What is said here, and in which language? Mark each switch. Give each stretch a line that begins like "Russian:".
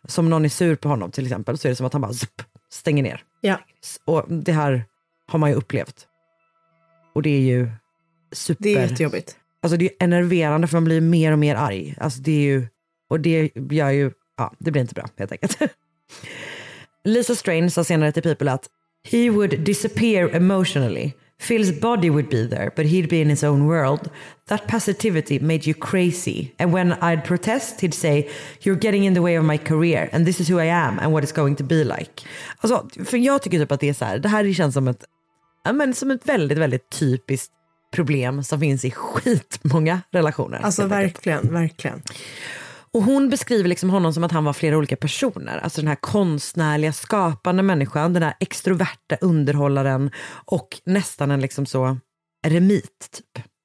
Swedish: Som någon är sur på honom till exempel, så är det som att han bara zup, stänger ner. Ja. Och det här har man ju upplevt. Och det är ju super... Det är jättejobbigt. alltså det är enerverande för man blir mer och mer arg. Alltså det är ju, och det gör ju, ja, det blir inte bra helt enkelt. Lisa Strain sa senare till People att
English: he would disappear emotionally. Phil's body would be there, but he'd be in his own world. That passivity made you crazy. And when I'd protest, he'd say, you're getting in the way of my career, and this is who I am, and what it's going to be like.
Swedish: Alltså, för jag tycker typ att det är så här, det här känns som ett, ja, men som ett väldigt, väldigt typiskt problem som finns i skitmånga relationer. Alltså verkligen, verkligen. Och hon beskriver liksom honom som att han var flera olika personer. Alltså den här konstnärliga, skapande människan, den här extroverta underhållaren och nästan en liksom så eremit typ.